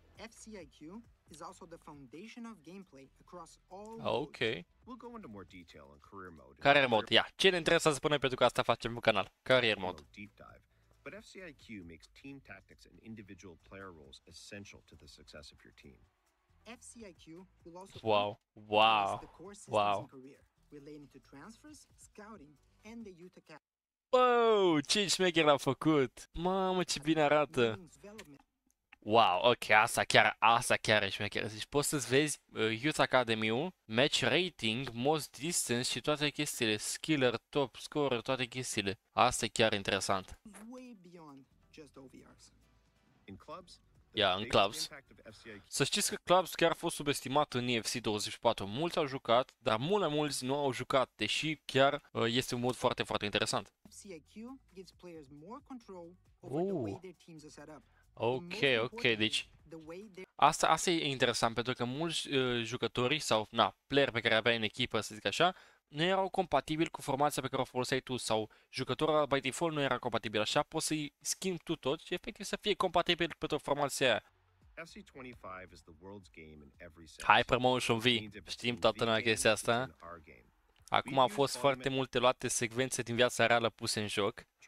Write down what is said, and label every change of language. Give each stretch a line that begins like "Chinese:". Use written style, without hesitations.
English: FCIQ is also the foundation of gameplay across all okay. Modes. We'll go into more detail on career mode. Career mode, yeah.
Romanian: Ce ne interesează pe noi, pentru că asta facem pe canal.
English: Career mode. Deep dive. But FCIQ makes team tactics and individual player roles essential to the success of your team. FCIQ will also wow. The core systems wow. In career relating to transfers, scouting and the youth academy.
Romanian: Wow, ce șmecher l-a făcut. Mamă, ce bine arată. Wow, ok, asta chiar e șmecheră. Deci poți să-ți vezi Youth Academy-ul,
English: match rating, most distance
Romanian: și toate chestiile, skiller, top scorer, toate chestiile. Asta e chiar interesant.
English: Way beyond just OVRs. In clubs?
Romanian: Ia, în clubs. Să știți că clubs chiar a fost subestimat în EFC 24. Mulți au jucat, dar mult mai mulți nu au jucat, deși chiar este un mod foarte, foarte interesant.
English: FCIQ gives players more control over the way their teams are set up.
Romanian: Ok, ok, deci asta e interesant, pentru că mulți jucători sau, na, player pe care aveai în echipă, să zic așa, nu erau compatibili cu formația pe care o foloseai tu sau jucătorul by default nu era compatibil, așa poți să-i schimbi tu tot și efectiv să fie compatibil pentru formația aia.
English: FC 25 is the world's game in every sense.
Romanian: Hai, Promotion V, știm toată noi chestia asta. Acum au fost foarte multe luate secvențe din viața reală puse în joc.